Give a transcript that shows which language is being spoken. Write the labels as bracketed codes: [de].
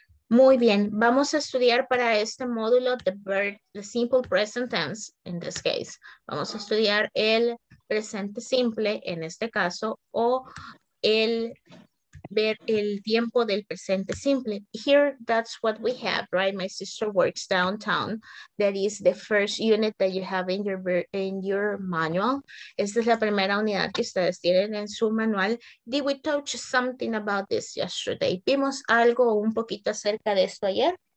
[es] Muy bien, vamos a estudiar para este módulo [en] the simple present tense in this case. [es] Vamos a estudiar el presente simple en este caso o el ver el tiempo del presente simple. [en] Here, that's what we have, right? My sister works downtown. That is the first unit that you have in your manual. [es] Esta es la primera unidad que ustedes tienen en su manual. [en] Did we touch something about this yesterday? [es] ¿Vimos algo un poquito acerca de esto ayer?